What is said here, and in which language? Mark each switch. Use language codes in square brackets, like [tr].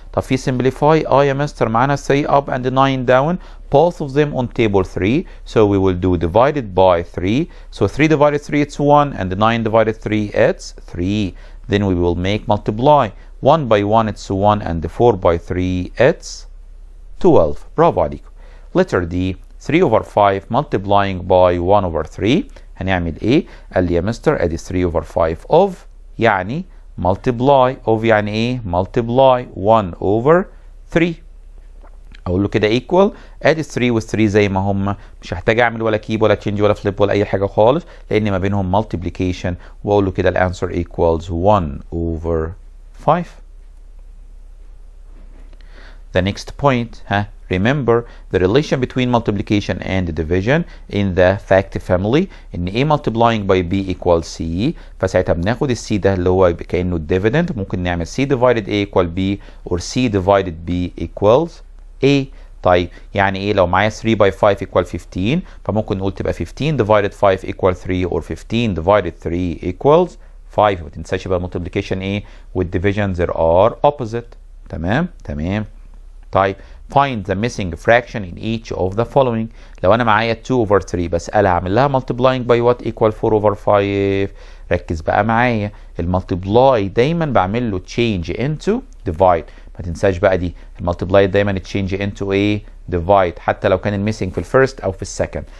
[ar] طب في [en] simplify؟ [ar] اه يا مستر، [en] معانا 3 up and 9 down both of them on table 3، so we will do divided by 3، so 3 divided 3 it's 1 and 9 divided 3 it's 3، then we will make multiply 1 by 1 it's 1 and 4 by 3 it's 12. [ar] برافو عليكم. [en] letter d 3 over 5 multiplying by 1 over 3، [ar] هنعمل ايه؟ قال لي يا مستر ادي [en] 3 over 5 of، يعني multiply of، يعني ايه؟ multiply 1 over 3. [ar] اقول له كده equal، ادي 3 و 3 زي ما هم، مش هحتاج اعمل ولا keep ولا change ولا flip ولا اي حاجه خالص، لان ما بينهم multiplication، واقول له كده ال [en] answer equals 1 over 5. The next point، remember the relation between multiplication and division in the fact family، ان a multiplying by b equals c، [ar] فساعتها بناخد ال c ده اللي هو كانه [en] dividend، ممكن نعمل c divided a equal b or c divided b equals a. [ar] طيب يعني ايه لو معايا 3 by 5 equal 15 فممكن نقول تبقى [en] 15 divided 5 equal 3 or 15 divided 3 equals 5. [ar] ما تنساش بقى multiplication ايه والديفيجن [en] there are opposite. [ar] تمام تمام. [en] طيب find the missing fraction in each of the following. [ar] لو انا معايا 2 over 3 بس قال هعمل لها [en] multiplying by what equal 4 over 5. [ar] ركز بقى معايا المالتيبلاي دايما بعمل له تشينج انتو ديفايد. ما تنساش بقى دي المالتيبلاي دايما تشينج انتو ايه ديفايد حتى لو كان الميسنج في الفيرست او في السكند.